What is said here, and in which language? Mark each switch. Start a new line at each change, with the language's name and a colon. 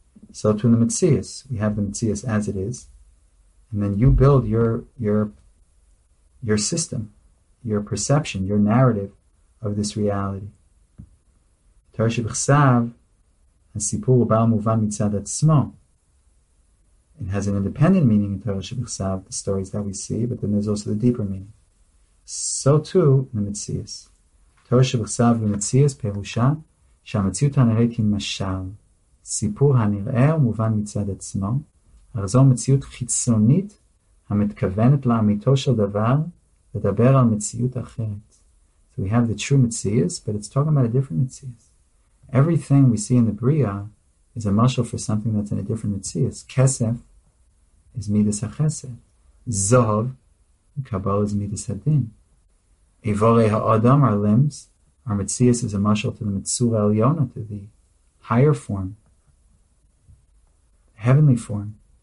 English: So to the Metzius, we have the Metzius as it is, and then you build your system, your perception, your narrative of this reality.
Hebrew: Torah Shebichsav, ha-sipur ba'al muvan mitzad atzmo.
English: It has an independent meaning in Torah Shebichsav, the stories that we see, but then there's also the deeper meaning. So too, the Metzius.
Hebrew: Torah Shebichsav, the Metzius, perusha, שהמציאות הנראית היא משל, סיפור הנראה ומובן מצד עצמו, אך זו מציאות חיצונית המתכוונת לאמיתו של דבר לדבר על מציאות אחרת.
English: So we have the true Metzius, but it's talking about a different Metzius. Everything we see in the Bria is a marshal for something that's in a different Metzius. Kesef is midas ha-chesed. Zohov, kabal is midas ha-din. Evorei ha-odom are limbs. Our Metzius is a mashal to the Metzura Eliona, to the higher form, heavenly form.